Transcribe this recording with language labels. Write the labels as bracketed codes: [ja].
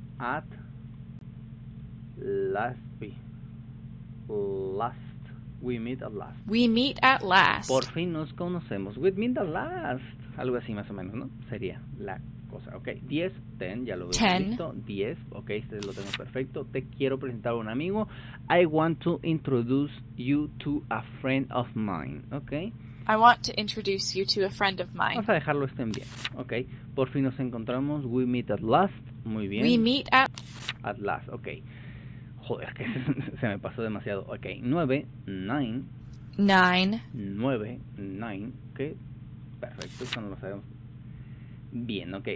[en] At last. Last. We meet at last. We meet at last. [es] Por fin nos conocemos. [en] We meet at last. [es] Algo así más o menos, ¿no? Sería la cosa. Ok. 10, 10. Ya lo veo. 10. 10. Ok. Este lo tengo perfecto. Te quiero presentar a un amigo. [en] I want to introduce you to a friend of mine. Ok. I want to introduce you to a friend of mine. [es] Vamos a dejarlo estén bien. Ok. Por fin nos encontramos. [en] We meet at last. [es] Muy bien. [en] We meet at... at last. Ok. [es] Joder, que se me pasó demasiado. Ok, 9, 9. 9. 9, 9. Ok, perfecto, eso no lo sabemos. Bien, ok.